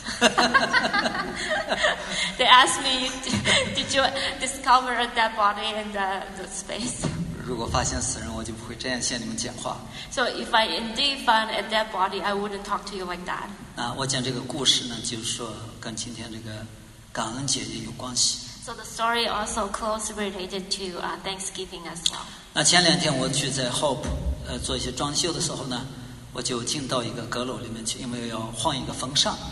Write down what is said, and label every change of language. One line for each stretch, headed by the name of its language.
English: ？They asked me, did you discover a dead body in the space?
Chinese: 如果发现死人，我就不会这样向你们讲话。
English: So if I indeed found a dead body, I wouldn't talk to you like that.
Chinese: 那我讲这个故事呢，就是说跟今天这个感恩节也有关系。
English: So the story also closely related to Thanksgiving as well.
Chinese: 那前两天我去在 Hope 做一些装修的时候呢。我就进到一个阁楼里面去，因为要换一个风扇。